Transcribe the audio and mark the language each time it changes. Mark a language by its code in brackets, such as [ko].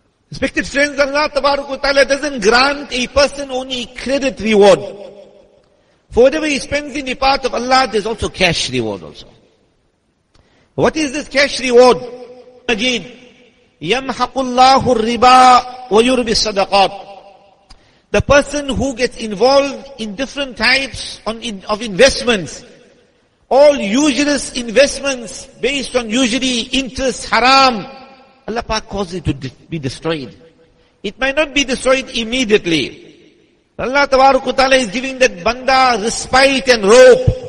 [en] Respected friends, Allah tabaraka wa ta'ala doesn't grant a person only credit reward. For whatever he spends in the path of Allah, there's also cash reward also. What is this cash reward? [ar] Majid, يَمْحَقُ اللَّهُ الرِّبَا وَيُرْبِ الصَّدَقَاتِ. [en] The person who gets involved in different types of investments, all usurious investments based on usury, interest, haram, Allah Pak causes it to be destroyed. It might not be destroyed immediately. Allah Ta'ala is giving that banda respite and rope.